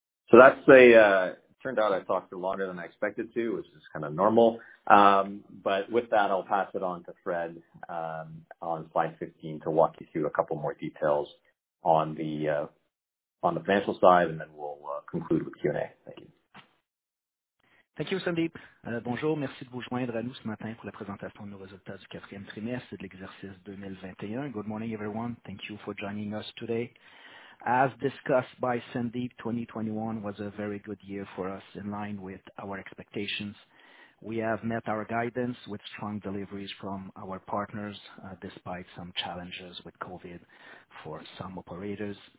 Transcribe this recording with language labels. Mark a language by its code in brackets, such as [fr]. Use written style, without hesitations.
[en] So that's a, turned out I talked for longer than I expected to, which is kind of normal. But with that, I'll pass it on to Fred on slide 15 to walk you through a couple more details on the financial side, and then we'll conclude with Q&A. Thank you. Thank you, Sandeep. [fr] Bonjour, merci de vous joindre à nous ce matin pour la présentation de nos résultats du quatrième trimestre de l'exercice 2021. [en] Good morning, everyone. Thank you for joining us today. As discussed by Sandeep, 2021 was a very good year for us in line with our expectations. We have met our guidance with strong deliveries from our partners, despite some challenges with COVID for some operators.